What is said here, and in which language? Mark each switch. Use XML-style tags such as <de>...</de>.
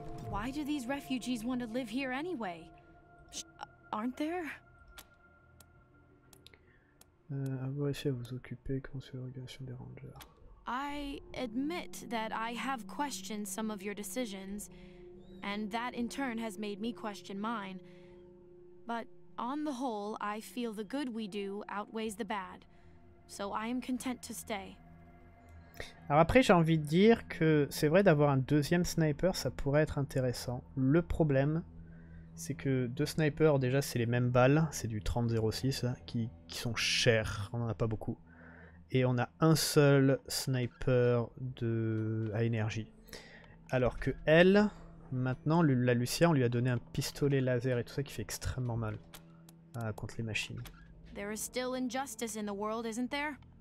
<en>Why do these refugees want to live here anyway? Aren't there?</en> <fr>Vous essayez de vous occuper comment sur l'organisation des rangers.</fr> <en>I admit that I have questioned some of your decisions, and that in turn has made me question mine. But on the whole, I feel the good we do outweighs the bad, so I am content to stay.</en> <fr>Alors après j'ai envie de dire que c'est vrai d'avoir un deuxième sniper ça pourrait être intéressant. Le problème c'est que deux snipers déjà c'est les mêmes balles, c'est du 30-06 qui sont chers, on n'en a pas beaucoup. Et on a un seul sniper à énergie. Alors que elle, maintenant la Lucia on lui a donné un pistolet laser et tout ça qui fait extrêmement mal contre les machines.</fr> <en>There is still injustice in the world, isn't there?</en>